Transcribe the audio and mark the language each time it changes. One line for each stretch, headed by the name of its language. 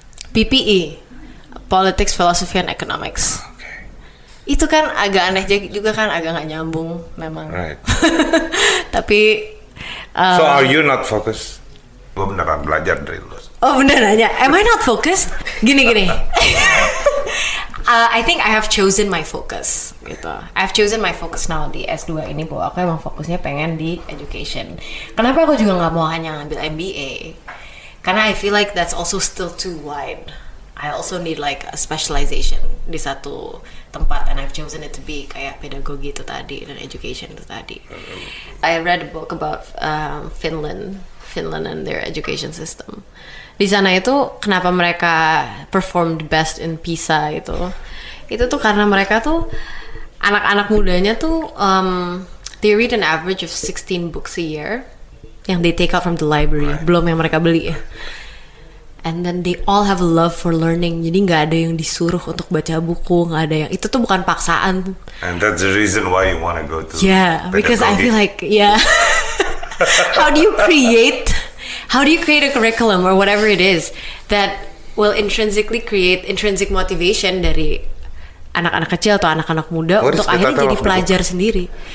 English: PPE, Politics, Philosophy, and Economics. Okay.
Indonesian: Itu kan agak aneh juga kan, agak gak nyambung memang.
English: Right.
Indonesian: Tapi
English: so are you not focused?
Indonesian: Gue beneran belajar dari lu. Oh bener nanya,
English: am I not focused?
Indonesian: Gini-gini.
English: I think I have chosen my focus gitu. I've chosen my focus now di S2 ini,
Indonesian: bahwa aku emang fokusnya pengen di education. Kenapa aku juga gak mau hanya ambil MBA? Karena
English: I feel like that's also still too wide. I also need like a specialization
Indonesian: di satu tempat,
English: and I've chosen it to be
Indonesian: kayak pedagogi itu tadi dan education itu tadi.
English: I read a book about Finland and their education system.
Indonesian: Di sana itu kenapa mereka
English: performed best in PISA
Indonesian: itu? Itu tuh karena mereka tuh anak-anak mudanya tuh
English: they read an average of 16 books a year yang they take out from the library, right,
Indonesian: belum yang mereka beli.
English: And then they all have a love for learning.
Indonesian: Jadi enggak ada yang disuruh untuk baca buku, enggak ada yang. Itu tuh bukan paksaan.
English: And that's the reason why you want to go to. Yeah, because I feel like yeah. How do you create how do you create a curriculum or whatever it is that will intrinsically create intrinsic motivation
Indonesian: dari anak-anak kecil atau anak-anak muda untuk akhirnya jadi pelajar sendiri.